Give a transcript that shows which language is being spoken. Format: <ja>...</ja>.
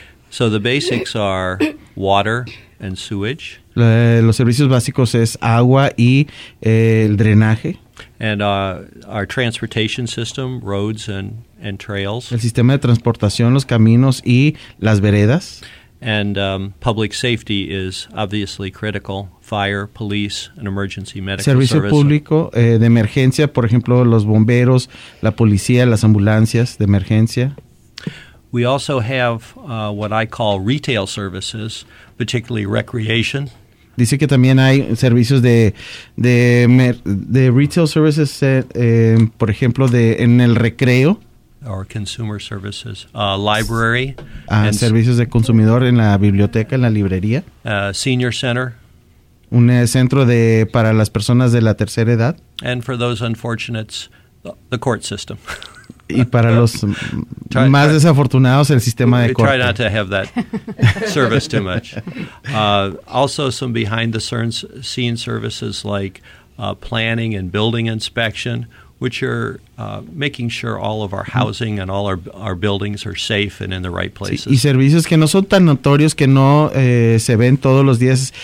<en>So the basics are water and sewage.</en> <es>Los servicios básicos es agua y el drenaje.</es> <en>And our transportation system, roads and trails.</en> <es>El sistema de transportación, los caminos y las veredas.</es> <en>And public safety is obviously critical, fire, police, and emergency medical service.</en> <es>Servicio público de emergencia, por ejemplo, los bomberos, la policía, las ambulancias de emergencia.</es> <en>We also have what I call retail services, particularly recreation.</en> <es>Dice que también hay servicios de retail services, por ejemplo, de en el recreo.</es> <en>Or consumer services, library.</en> <es>Servicios de consumidor en la biblioteca, en la librería.</es> <en>Senior center.</en> <es>Un centro de para las personas de la tercera edad.</es> <en>And for those unfortunates, the court system.</en> <es>Y para los más desafortunados, el sistema de corte.</es> <en>We try not to have that service too much. Also some behind the scenes services like planning and building inspection, which are making sure all of our housing and all our buildings are safe and in the right places.</en> <es>Sí, y servicios que no son tan notorios, que no se ven todos los días.</es>